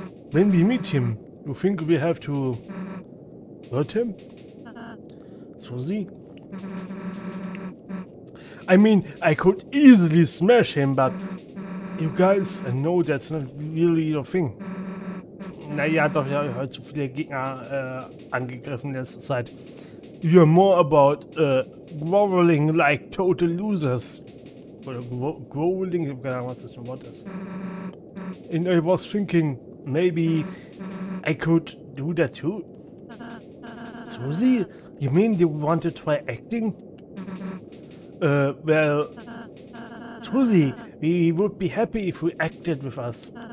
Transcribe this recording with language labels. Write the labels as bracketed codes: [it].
[en] When we meet him, you think we have to... hurt him? Susie? I mean, I could easily smash him, but... You guys, I know that's not really your thing. [de] Naja, doch, ich habe heute zu viele Gegner angegriffen in letzter Zeit. [en] You're more about growling like total losers. [de] Oder growling, ich habe keine Ahnung, was das für ein Wort ist. [en] And I was thinking, maybe I could do that too. Susie, you mean you want to try acting? Well, Susie, we would be happy if you acted with us.